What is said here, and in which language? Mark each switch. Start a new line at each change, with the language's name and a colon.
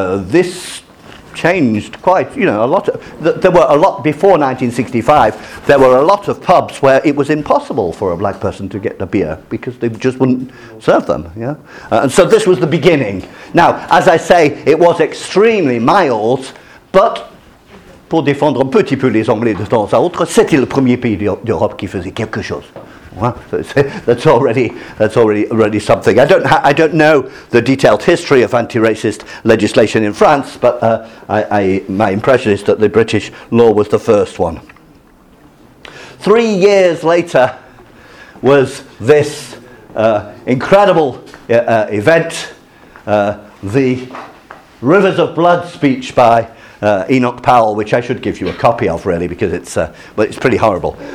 English: This changed quite, you know, a lot. There were a lot before 1965, there were a lot of pubs where it was impossible for a black person to get the beer because they just wouldn't serve them. Yeah, and so this was the beginning. Now, as I say, it was extremely mild, but...
French: pour défendre un petit peu les Anglais de temps à autre, c'était le premier pays d'Europe qui faisait quelque chose.
English: That's already something. I don't know the detailed history of anti-racist legislation in France, but my impression is that the British law was the first one. 3 years later was this incredible event, the Rivers of Blood speech by Enoch Powell, which I should give you a copy of, really, because it's pretty horrible.